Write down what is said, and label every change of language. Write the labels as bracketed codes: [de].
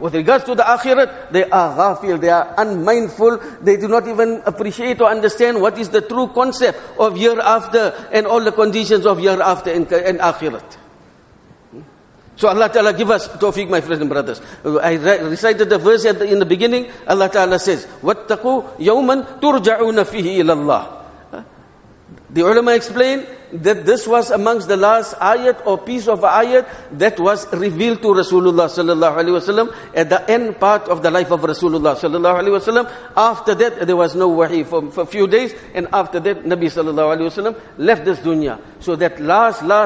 [en] With regards to the akhirat, they are ghafil, they are unmindful, they do not even appreciate or understand what is the true concept of hereafter and all the conditions of hereafter and akhirat. So Allah Ta'ala give us tawfiq, my friends and brothers. I recited the verse in the beginning. Allah Ta'ala says, [ar] وَاتَّقُوا يَوْمًا تُرْجَعُونَ فِيهِ إِلَى اللَّهِ. [en] The ulama explained that this was amongst the last ayat or piece of ayat that was revealed to Rasulullah sallallahu alaihi wasallam at the end part of the life of Rasulullah sallallahu alaihi wasallam. After that, there was no wahi for a few days. And after that, Nabi sallallahu alaihi wasallam left this dunya. So that last